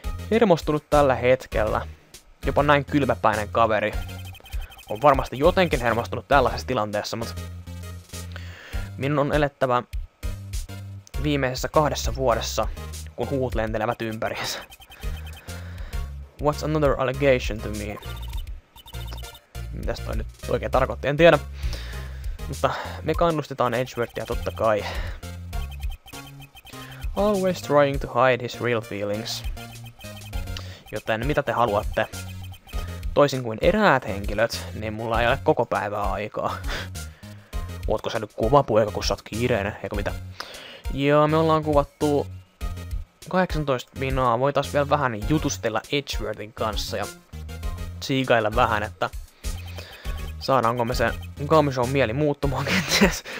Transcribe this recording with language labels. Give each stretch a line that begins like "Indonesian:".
Finnish: hermostunut tällä hetkellä. Jopa näin kylmäpäinen kaveri. On varmasti jotenkin hermostunut tällaisessa tilanteessa, mutta... Minun on elettävä... viimeisessä 2 vuodessa, kun huut lentelevät ympärissä.
English: What's another allegation to me?
Finnish: Mitäs toi nyt oikein tarkoitti? En tiedä. Mutta me kannustetaan Edgeworthia totta kai.
English: Always trying to hide his real feelings.
Finnish: Joten mitä te haluatte? Toisin kuin eräät henkilöt, niin mulla ei ole koko päivää aikaa. Ootko sä nyt kuvapuika, kun sä oot kiireinen? Eikö mitä? Joo, me ollaan kuvattu 18 minaa. Voitais vielä vähän jutustella Edgeworthin kanssa ja tsiikailla vähän, että saadaanko me se Gumshown mieli muuttumaan kenties.